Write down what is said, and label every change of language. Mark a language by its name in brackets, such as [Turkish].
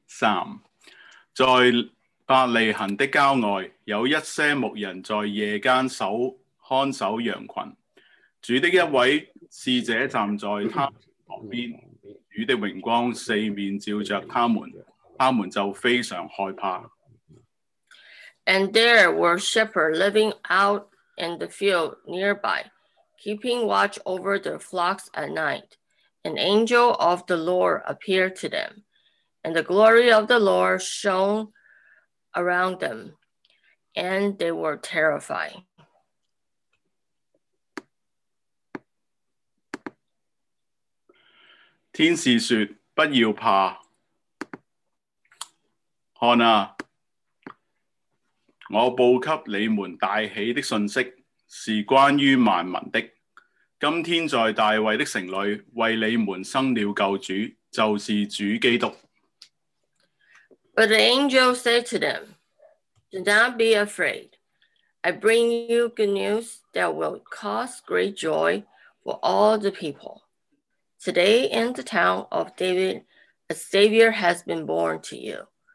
[Chinese] 三，在伯利恒的郊外，有一些牧人在夜间守看守羊群。主的一位使者站在他旁边，主的荣光四面照着他们，他们就非常害怕。 [English] And there were shepherds living out in the field nearby, keeping watch over their flocks at night. An angel of the Lord appeared to them. And the glory of the Lord shone around them, and they were terrified. [Chinese] 天使说：不要怕，看啊，我报给你们大喜的信息，是关于万民的。今天在大卫的城里为你们生了救主，就是主基督。 [English] But the angel said to them, Do not be afraid. I bring you good news that will cause great joy for all the people. Today in the town of David, a Savior has been born to you.